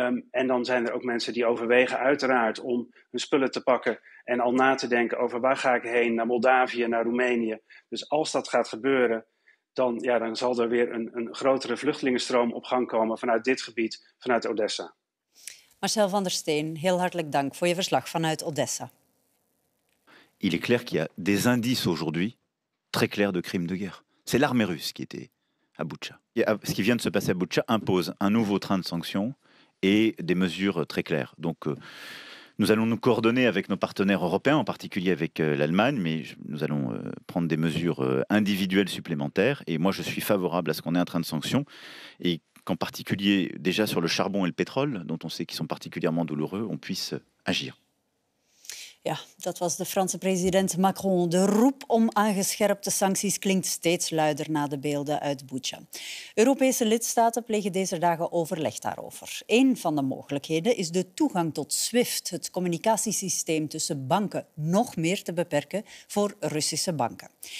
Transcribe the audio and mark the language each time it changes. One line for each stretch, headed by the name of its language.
Dutch: En dan zijn er ook mensen die overwegen uiteraard om hun spullen te pakken en al na te denken over waar ga ik heen, naar Moldavië, naar Roemenië. Dus als dat gaat gebeuren, dan zal er weer een grotere vluchtelingenstroom op gang komen vanuit dit gebied, vanuit Odessa. Marcel van der Steen, heel hartelijk dank voor je verslag vanuit Odessa.
French: Il est clair qu'il y a des indices aujourd'hui très clairs de crimes de guerre. C'est l'armée russe qui était à Boutcha. Ce qui vient de se passer à Boutcha impose un nouveau train de sanctions et des mesures très claires. Donc nous allons nous coordonner avec nos partenaires européens, en particulier avec l'Allemagne, mais nous allons prendre des mesures individuelles supplémentaires. Et moi, je suis favorable à ce qu'on ait un train de sanctions et qu'en particulier, déjà sur le charbon et le pétrole, dont on sait qu'ils sont particulièrement douloureux, on puisse agir.
Dutch: Ja, dat was de Franse president Macron. De roep om aangescherpte sancties klinkt steeds luider na de beelden uit Bucha. Europese lidstaten plegen deze dagen overleg daarover. Een van de mogelijkheden is de toegang tot SWIFT, het communicatiesysteem tussen banken, nog meer te beperken voor Russische banken.